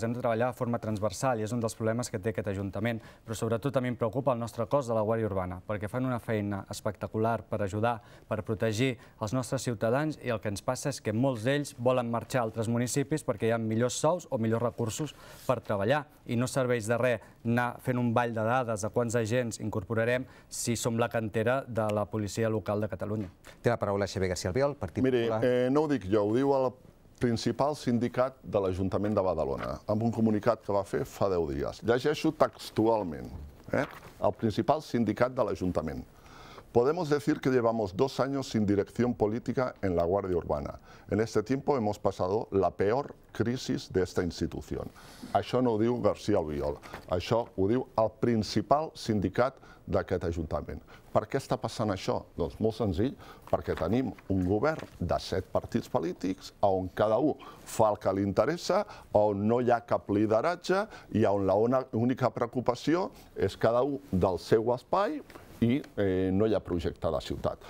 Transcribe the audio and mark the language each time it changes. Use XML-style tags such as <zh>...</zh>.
<ca>Hem de treballar de forma transversal i és un dels problemes que té aquest Ajuntament, però sobretot també em preocupa ocupa el nostre cos de la Guàrdia Urbana, perquè fan una feina espectacular per ajudar, per protegir els nostres ciutadans, i el que ens passa és que molts d'ells volen marxar a altres municipis perquè hi ha millors sous o millors recursos per treballar, i no serveix de res anar fent un ball de dades de quants agents incorporarem si som la cantera de la policia local de Catalunya. Té la paraula Xavier García Albiol, Partit Miri, Popular. No ho dic jo, ho diu el principal sindicat de l'Ajuntament de Badalona, amb un comunicat que va fer fa 10 dies. Llegeixo textualment. El principal sindicat de l'Ajuntament.</ca> <es>Podemos decir que llevamos 2 años sin dirección política en la Guardia Urbana. En este tiempo hemos pasado la peor crisis de esta institución.</es> <ca>Això no ho diu García Albiol, això ho diu el principal sindicat d'aquest Ajuntament. Per què està passant això? Doncs molt senzill, perquè tenim un govern de 7 partits polítics on cada un fa el que li interessa, on no hi ha cap lideratge i on l'única preocupació és cada un del seu espai i no hi ha projecte de ciutat.</ca>